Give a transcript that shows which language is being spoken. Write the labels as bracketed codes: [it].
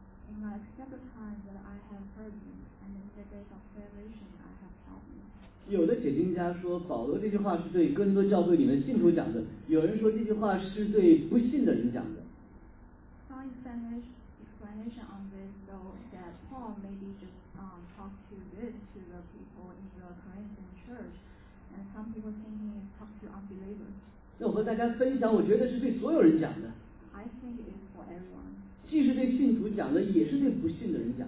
[en] In my several times that I have heard you, and in the days of salvation, I have helped you. [zh] 有的解经家说保罗这句话是对哥林多教会里面信徒讲的，有人说这句话是对不信的人讲的。 [en] Some explanation on this though that Paul maybe just talked to the people in the Corinthian church, and some people think he talked to unbelievers. [zh] 那我和大家分享，我觉得是对所有人讲的。 [en] I think it's for everyone. [zh] 既是对信徒讲的，也是对不信的人讲